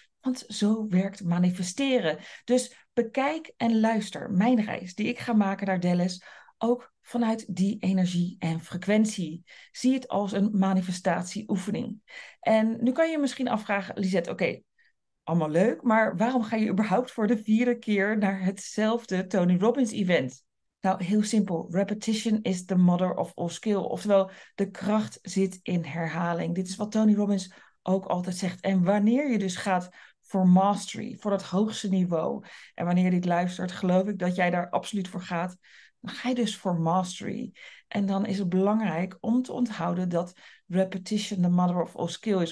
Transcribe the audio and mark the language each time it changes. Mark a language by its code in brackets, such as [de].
[nl] Want zo werkt manifesteren. Dus bekijk en luister mijn reis die ik ga maken naar Dallas ook vanuit die energie en frequentie. Zie het als een manifestatieoefening. En nu kan je misschien afvragen, Lisette, oké, allemaal leuk, maar waarom ga je überhaupt voor de vierde keer naar hetzelfde Tony Robbins event? Nou, heel simpel. [en] Repetition is the mother of all skill. [nl] Oftewel, de kracht zit in herhaling. Dit is wat Tony Robbins ook altijd zegt. En wanneer je dus gaat voor mastery, voor dat hoogste niveau, en wanneer je dit luistert, geloof ik dat jij daar absoluut voor gaat. Dan ga je dus voor mastery. En dan is het belangrijk om te onthouden dat [en] repetition the mother of all skill [nl] is.